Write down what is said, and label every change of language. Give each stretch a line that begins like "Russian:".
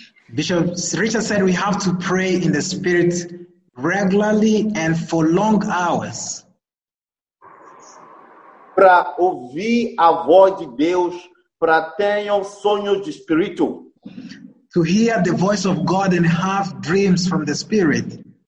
English: Bishop Richard said we have to pray in the spirit regularly and for long hours.
Portuguese: Para ouvir a voz de Deus, para ter um sonho de espírito.
English: To hear the voice of God and have dreams from the spirit.